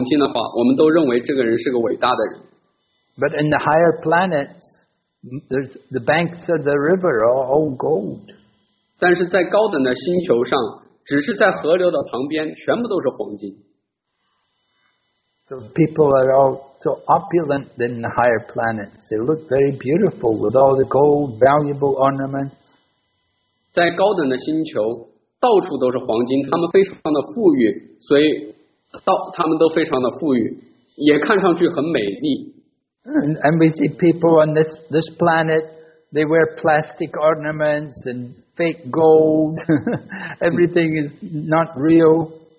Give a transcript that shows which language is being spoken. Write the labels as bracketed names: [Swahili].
[Chinese] 如果有人他能够做变出变魔术变出一丁点儿的黄金的话，我们都认为这个人是个伟大的人。 [English] But in the higher planets, the banks of the river are all gold. [Chinese] 但是在高等的星球上。只是在河流的旁边，全部都是黄金。 [English] So people are all so opulent than the higher planets. They look very beautiful with all the gold, valuable ornaments. [Chinese] 在高等的星球，到处都是黄金，他们非常的富裕，所以他们都非常的富裕，也看上去很美丽。 [English] And we see people on this planet, they wear plastic ornaments and fake gold, everything is not real.